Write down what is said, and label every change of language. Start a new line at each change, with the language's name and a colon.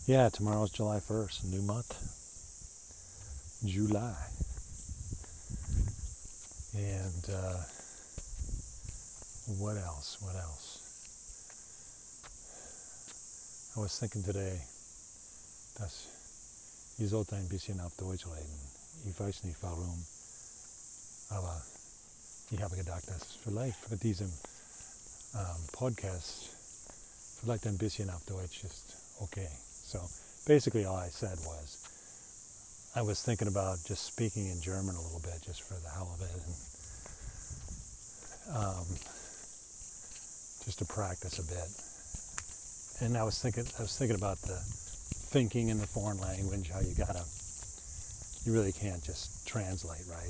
English: Tomorrow's July 1st, new month, July, and what else? I was thinking today,
German: dass ich sollte ein bisschen auf Deutsch reden. Ich weiß nicht warum, aber ich habe gedacht, dass vielleicht für diesen Podcast vielleicht ein bisschen auf Deutsch ist okay.
English: So basically all I said was, I was thinking about just speaking in German a little bit, just for the hell of it, and just to practice a bit. And I was thinking about the thinking in the foreign language, how you really can't just translate, right?